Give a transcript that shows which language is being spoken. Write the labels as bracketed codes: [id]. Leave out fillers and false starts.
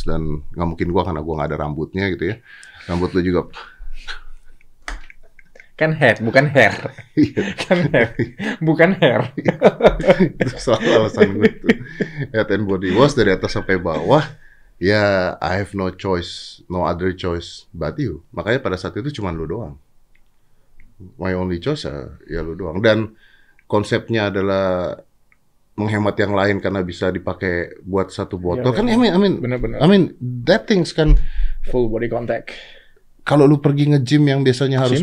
[id] dan nggak mungkin gua karena gua nggak ada rambutnya gitu ya, rambut lu juga kan head bukan hair. Kan head bukan hair. Itu salah alasan gua tuh. [en] Head and body wash [id] dari atas sampai bawah ya. [en] I have no choice, no other choice but you. [id] Makanya pada saat itu cuma lu doang, [en] my only choice [id] ya lu doang. Dan konsepnya adalah menghemat yang lain karena bisa dipakai buat satu botol. Ya, kan ya, bener-bener. [en] I mean, that things kan full body contact. [id] Kalau lu pergi nge-gym yang biasanya harus